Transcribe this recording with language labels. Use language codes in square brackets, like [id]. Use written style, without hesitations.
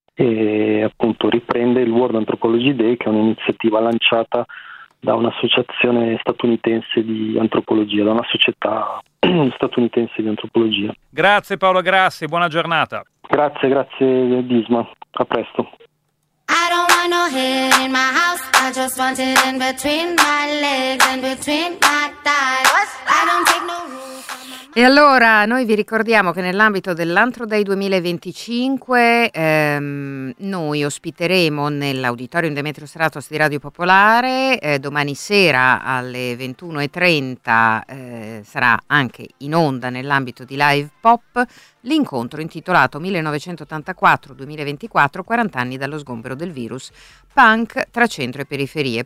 [it] E appunto riprende il World Anthropology Day, che è un'iniziativa lanciata da un'associazione statunitense di antropologia, da una società statunitense di antropologia. Grazie Paolo Grassi, buona giornata. Grazie, grazie Disma, a presto. [en] I don't want no head in my house, I just want it in between my legs and between my thighs. I don't take no room. [it] E allora noi vi ricordiamo che nell'ambito dell'Antro Day 2025 noi ospiteremo nell'auditorium Demetrio Stratos di Radio Popolare domani sera alle 21.30, sarà anche in onda nell'ambito di Live Pop, l'incontro intitolato 1984-2024, 40 anni dallo sgombero del virus punk tra centro e periferie.